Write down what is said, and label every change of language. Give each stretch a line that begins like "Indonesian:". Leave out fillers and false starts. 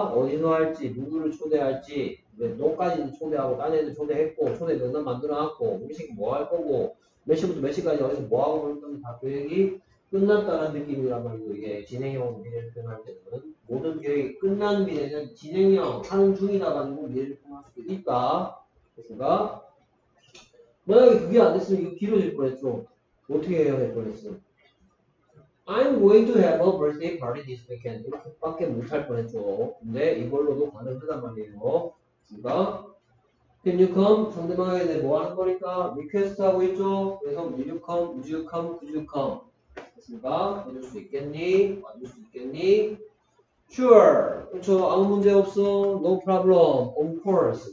Korean: 어디서 할지 누구를 초대할지 너까지는 초대하고 딴 애들 초대했고 초대 명단 만들어놨고 음식 뭐 할 거고 몇 시부터 몇 시까지 어디서 뭐 하고 그랬던 다 계획이 끝났다는 느낌이란 말이고 이게 진행형 미래를 표현할 때는 모든 계획이 끝난 미래는 진행형 하는 중이다 가지고 미래를 표현할 수도 있다 됐습니까? 만약에 그게 안 됐으면 이거 길어질 뻔했죠. 어떻게 해야 될 뻔했어?
English: I'm going to have a birthday party this weekend.
Korean: 이렇게 밖에 못할 뻔했죠. 근데 이걸로도 가능하단 말이에요. 됐습니까?
English: Can you come?
Korean: 상대방에게 내가 뭐 하는 거니까?
English: Request
Korean: 하고 있죠? 그래서
English: will you come? Would you come? Could you come?
Korean: 됐습니까? 해줄 수 있겠니? 와줄 수 있겠니? Sure. 그렇죠. 아무 문제 없어.
English: No problem. Of course.